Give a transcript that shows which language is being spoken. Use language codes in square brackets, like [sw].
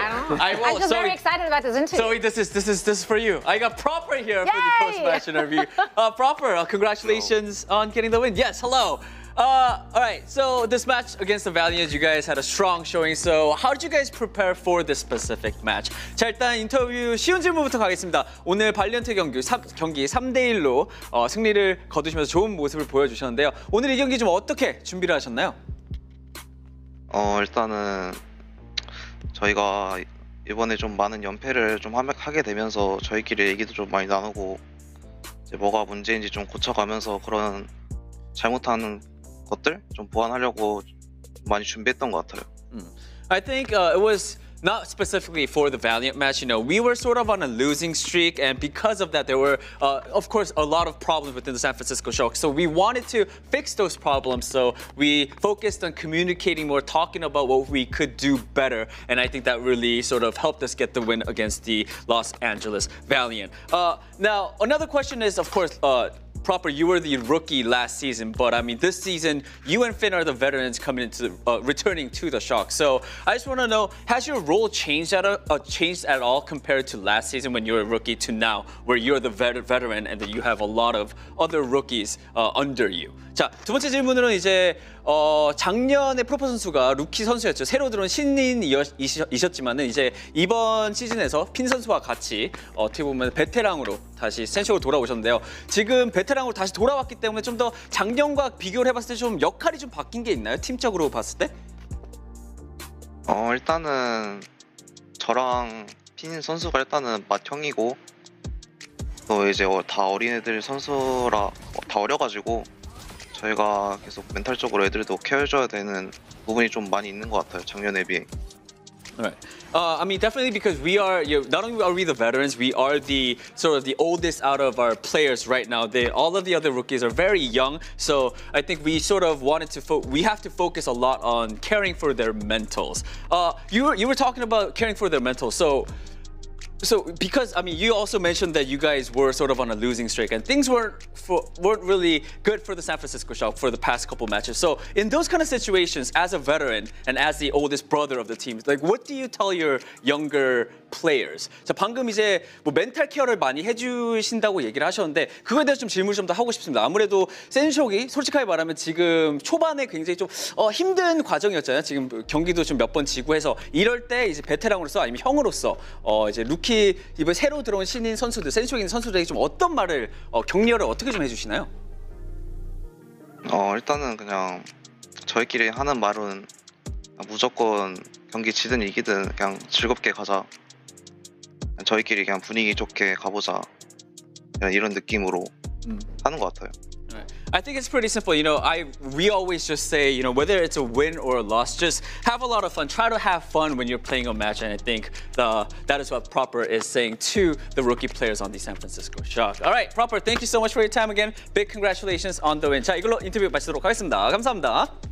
[en] I'm just very excited about this interview. Zoe, this is for you. I got proper here. Yay! For the post-match interview. Congratulations on getting the win. Yes, hello. All right, so this match against the Valiant, you guys had a strong showing. So how did you guys prepare for this specific match? [ko] 자, 일단 인터뷰 쉬운 질문부터 가겠습니다. 오늘 발리언트 경기 3-1로 승리를 거두시면서 좋은 모습을 보여주셨는데요. 오늘 이 경기 좀 어떻게 준비를 하셨나요? 일단은 저희가 이번에 좀 많은 연패를 좀 하게 되면서 저희끼리 얘기도 좀 많이 나누고 이제 뭐가 문제인지 좀 고쳐가면서 그런 잘못하는 것들 좀 보완하려고 많이 준비했던 것 같아요. [en] I think it was not specifically for the Valiant match. You know, we were sort of on a losing streak, and because of that, there were, of course, a lot of problems within the San Francisco Sharks. So we wanted to fix those problems. So we focused on communicating more, talking about what we could do better. And I think that really sort of helped us get the win against the Los Angeles Valiant. Now, another question is, of course, Proper, you were the rookie last season, but I mean, this season, you and Finn are the veterans coming into returning to the Sharks. So I just want to know, has your role changed at all compared to last season when you were a rookie to now, where you're the veteran and that you have a lot of other rookies under you? [ko] 자, 두 번째 질문으로는 이제 작년에 프로포 선수가 루키 선수였죠. 새로 들어온 신인이셨지만은 이제 이번 시즌에서 핀 선수와 같이 어떻게 보면 베테랑으로 다시 센쇼로 돌아오셨는데요. 지금 베테랑으로 다시 돌아왔기 때문에 좀 더 작년과 비교를 해봤을 때 좀 역할이 좀 바뀐 게 있나요? 팀적으로 봤을 때? 일단은 저랑 핀 선수가 일단은 맏형이고 또 이제 다 어린애들 선수라 다 어려가지고 저희가 계속 멘탈적으로 애들도 케어해줘야 되는 부분이 좀 많이 있는 것 같아요, 작년에 비해. [en] Right. I mean, definitely because we are, you know, not only are we the veterans, we are the sort of the oldest out of our players right now. All of the other rookies are very young. So I think we sort of wanted to, we have to focus a lot on caring for their mentals. You were talking about caring for their mentals. So because, I mean, you also mentioned that you guys were sort of on a losing streak and things weren't really good for the San Francisco Sharks for the past couple matches. So in those kind of situations, as a veteran and as the oldest brother of the team, like, what do you tell your younger players? [ko] 자, 방금 이제 뭐 멘탈 케어를 많이 해주신다고 얘기를 하셨는데 그거에 대해서 좀 질문 좀 더 하고 싶습니다. 아무래도 센쇼기 솔직하게 말하면 지금 초반에 굉장히 좀 힘든 과정이었잖아요. 지금 경기도 좀 몇 번 지고 해서 이럴 때 이제 베테랑으로서 아니면 형으로서 이제 루키 이번 새로 들어온 신인 선수들 센쇼기 선수들에게 좀 어떤 말을 격려를 어떻게 좀 해주시나요? 일단은 그냥 저희끼리 하는 말은 무조건 경기 지든 이기든 그냥 즐겁게 가자. 저희끼리 그냥 분위기 좋게 가보자 이런 느낌으로 하는 것 같아요. [en] I think it's pretty simple. You know, we always just say, you know, whether it's a win or a loss, just have a lot of fun. Try to have fun when you're playing a match. And I think that is what Proper is saying to the rookie players on the San Francisco Shock. All right, Proper, thank you so much for your time again. Big congratulations on the win. [ko] 자, 이걸로 인터뷰 마치도록 하겠습니다. 감사합니다.